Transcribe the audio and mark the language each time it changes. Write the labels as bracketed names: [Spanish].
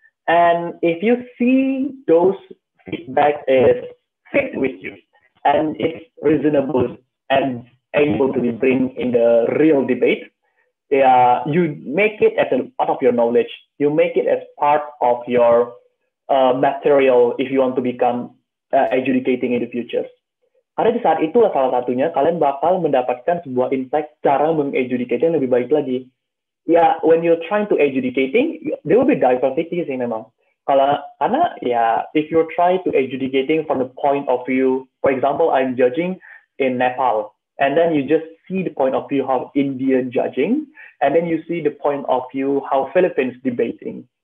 [English] And if you see those feedback is fit with you, and it's reasonable and able to be bring in the real debate, yeah, you make it as a part of your knowledge. You make it as part of your material if you want to become adjudicating in the future. [Indonesian] Karena di saat itu salah satunya kalian bakal mendapatkan sebuah insight cara mengadjudicate yang lebih baik lagi. [English] Yeah, when you're trying to adjudicating, there will be diversity [Indonesian] sih memang. [English] Karena yeah, if you're trying to adjudicating from the point of view, for example, I'm judging in Nepal, and then you just see the point of view of Indian judging, and then you see the point of view how Philippines debating.